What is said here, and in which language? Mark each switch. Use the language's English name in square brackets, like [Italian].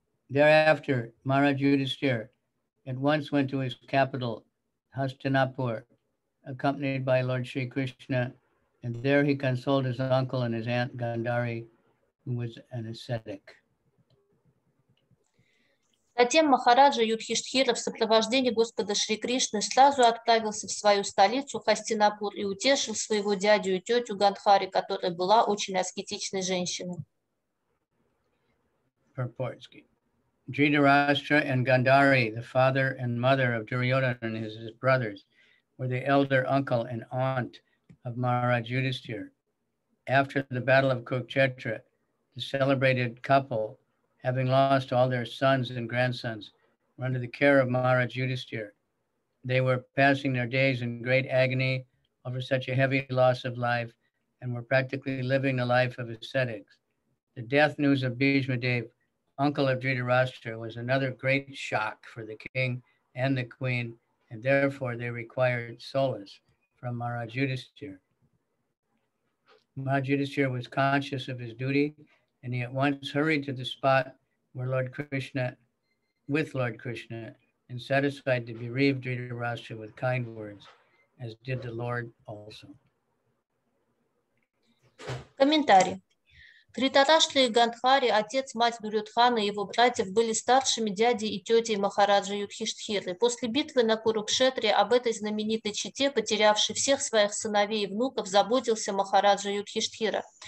[English] Thereafter, Maharaj Yudhishthira at once went to his capital, Hastinapur, accompanied by Lord Sri Krishna, and there he consoled his uncle and his aunt Gandhari, who was an ascetic. [Russian] Затем Махараджа Юдхиштхира в сопровождении Господа Шри Кришны сразу отправился в свою столицу Хастинапур и утешил своего дядю и тетю Гандхари, которая была очень аскетичной женщиной. [English] Dhritarashtra and Gandhari, the father and mother of Duryodhana and his brothers, were the elder uncle and aunt of Maharaj Yudhishthira. After the battle of Kurukshetra, the celebrated couple, having lost all their sons and grandsons, were under the care of Maharaj Yudhishthira. They were passing their days in great agony over such a heavy loss of life and were practically living the life of ascetics. The death news of Bhishma Dev, uncle of Dhritarashtra, was another great shock for the king and the queen, and therefore they required solace from Maharaj Yudhishthira. Maharaj Yudhishthira was conscious of his duty, and he at once hurried to the spot where Lord Krishna, and satisfied the bereaved Dhritarashtra with kind words, as did the Lord also. [Russian] Комментарий. Дхритарашта и Гандхари, отец, мать Дурьотхана и его братьев, были старшими дядей и тетей Махараджа Юдхиштхиры. После битвы на Курукшетре об этой знаменитой чете, потерявшей всех своих сыновей и внуков, заботился Махараджа Юдхиштхира.